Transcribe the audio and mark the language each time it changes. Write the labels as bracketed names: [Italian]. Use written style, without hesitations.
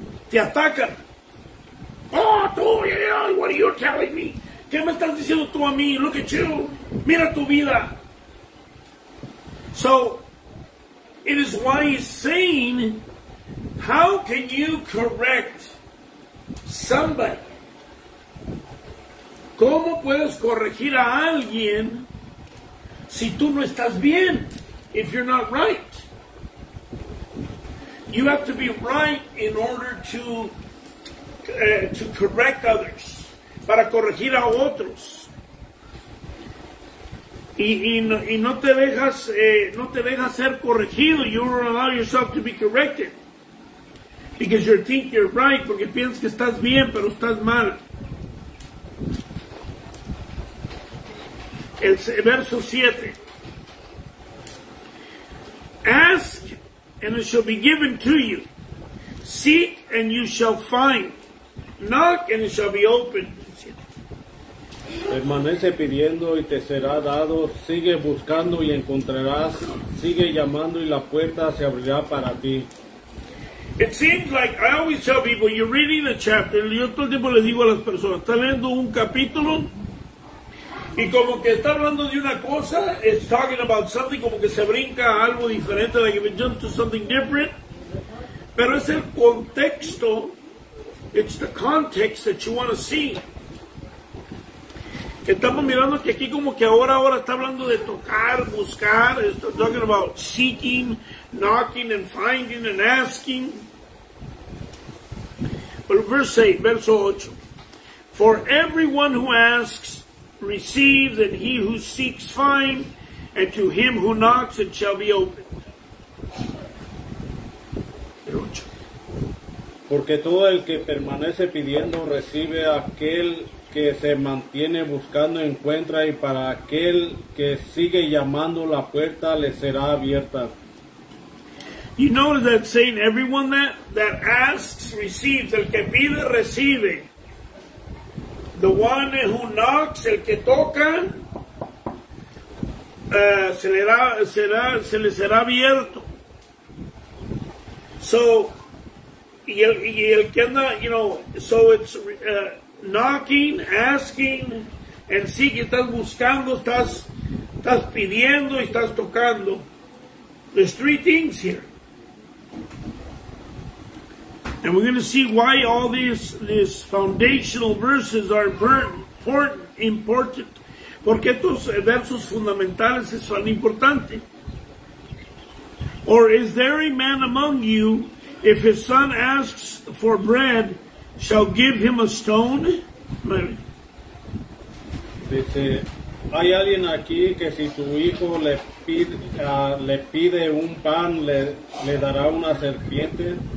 [Spanish] Te atacan. Oh, tú, [English] what are you telling me? [Spanish] ¿Qué me estás diciendo tú a mí? [English] Look at you. [Spanish] Mira tu vida. [English] So, it is why he's saying, how can you correct somebody? [Spanish] ¿Cómo puedes corregir a alguien si tú no estás bien? [English] If you're not right. You have to be right in order to correct others. [Spanish] Para corregir a otros. Y no te dejas no te dejas ser corregido. [English] You don't allow yourself to be corrected. Because you think you're right. [Spanish] Porque piensas que estás bien, pero estás mal. El verso 7. [English] Ask and it shall be given to you. Seek and you shall find. Knock and it shall be opened. [Spanish] Permanece pidiendo y te será dado. Sigue buscando y encontrarás. Sigue llamando y la puerta se abrirá para ti. [English] It seems like I always tell people, you're reading the chapter. [Spanish] Yo todo el tiempo le digo a las personas, está leyendo un capítulo y como que está hablando de una cosa, [English] it's talking about something, [Spanish] como que se brinca a algo diferente, [English] like if it jumps to something different. [Spanish] Pero es el contexto, [English] it's the context that you want to see. [Spanish] Estamos mirando que aquí como que ahora está hablando de tocar, buscar, está [English] talking about seeking, knocking and finding and asking. But verse 8, verso 8. For everyone who asks receives, and he who seeks finds, and to him who knocks it shall be opened. [Spanish] Verso 8. Porque todo el que permanece pidiendo recibe, aquel que se mantiene buscando encuentra, y para aquel que sigue llamando la puerta le será abierta. [English] You notice that saying, everyone that asks receives, [Spanish] el que pide recibe. [English] The one who knocks, [Spanish] el que toca, se le será abierto. [English] So, [Spanish] y el que anda, [English] you know, so it's knocking, asking, and seeking. [Spanish] Estás buscando, estás pidiendo y estás tocando. [English] There's three things here. And we're going to see why all these foundational verses are important. [Spanish] Porque estos versos fundamentales son importantes. [English] Or is there a man among you, if his son asks for bread, shall give him a stone? [Spanish] Dice, hay alguien aquí que si tu hijo le pide un pan, le dará una serpiente?